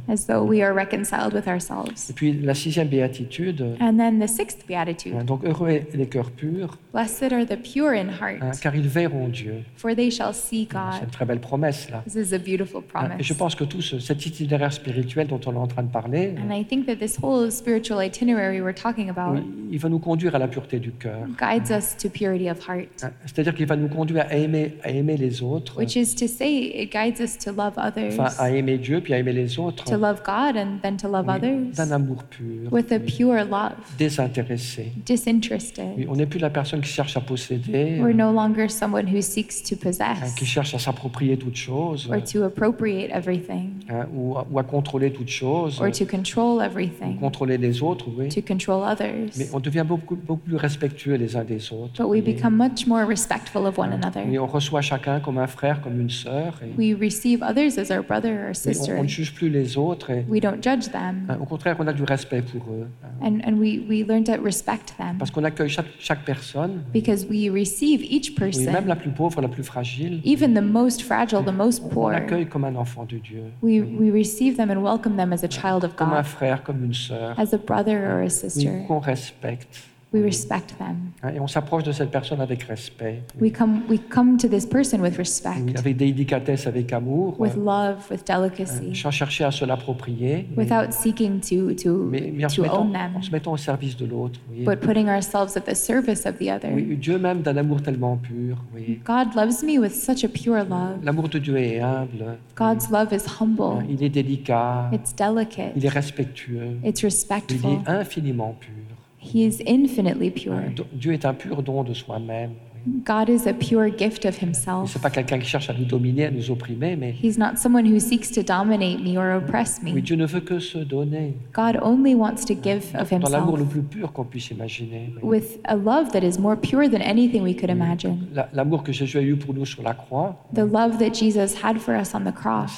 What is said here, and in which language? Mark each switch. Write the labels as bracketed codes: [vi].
[en] as though we are reconciled with ourselves. [fr] Et puis la sixième béatitude, [en] and then the sixth beatitude, [fr] donc heureux les cœurs purs, [en] blessed are the pure in heart, [fr] car ils verront Dieu, [en] for they shall see God. [fr] C'est une très belle promesse là. [en] This is a beautiful promise. [fr] Et je pense que tout cet itinéraire spirituel dont on entend parler, [en] and I think that this whole spiritual itinerary we're talking about, [fr] il va nous conduire à la pureté du cœur, [en] guides us to purity of heart. [fr] C'est-à-dire qu'il va nous conduire à aimer les autres, [en] which is to say it guides us to love others. [fr] Enfin, à aimer Dieu puis à aimer les autres. [en] To love God and then to love others. [fr] D'un amour pur. [en] With a pure love. [fr] Désintéressé. [en] Disinterested. [fr] Oui, on n'est plus la personne qui cherche à posséder. [en] We're no longer someone who seeks to possess. [fr] Qui cherche à s'approprier toutes choses. [en] Or to appropriate everything. [fr] Ou à contrôler toutes choses. choses, [en] or to control everything, [fr] contrôler les autres, oui, [en] to control others. [fr] Mais on devient beaucoup, beaucoup plus respectueux les uns des autres. [en] But we become much more respectful of one another. [fr] Et on reçoit chacun comme un frère, comme une sœur. [en] We receive others as our brother or sister. [fr] On ne juge plus les autres. [en] We don't judge them. [fr] Au contraire, on a du respect pour eux. [en] And we learn to respect them. [fr] Parce qu'on accueille chaque personne. [en] Because we receive each person. [fr] Oui, même la plus pauvre, la plus fragile. [en] Even the most fragile, the most poor. [fr] On l'accueille comme un enfant de Dieu. [en] We receive them and welcome them as a child of God. [fr] Comme un frère, comme une sœur. [en] As a brother or a sister. [fr] Qu'on respecte. [en] We respect them. [fr] Et on s'approche de cette personne avec respect. [en] We come to this person with respect. [fr] Avec délicatesse, avec amour. [en] With love, with delicacy. [fr] Sans chercher à se l'approprier. [en] Without seeking to own them. [fr] En se mettant au service de l'autre. Oui. [en] But putting ourselves at the service of the other. [fr] Oui, Dieu m'aime d'un amour tellement pur. Oui. [en] God loves me with such a pure love. [fr] L'amour de Dieu est humble. [en] God's love is humble. [fr] Il est délicat. [en] It's delicate. [fr] Il est respectueux. [en] It's respectful. [fr] Il est infiniment pur. [en] He is infinitely pure. [fr] Dieu est un pur don de soi-même. [en] God is a pure gift of himself. [fr] C'est pas quelqu'un qui cherche à nous dominer, à nous opprimer, mais [en] he's not someone who seeks to dominate me or oppress me. [fr] Oui, Dieu ne veut que se donner. [en] God only wants to give of himself. [fr] Dans l'amour le plus pur qu'on puisse imaginer. [en] With a love that is more pure than anything we could imagine. [fr] L'amour que Jésus a eu pour nous sur la croix. [en] The love that Jesus had for us on the cross.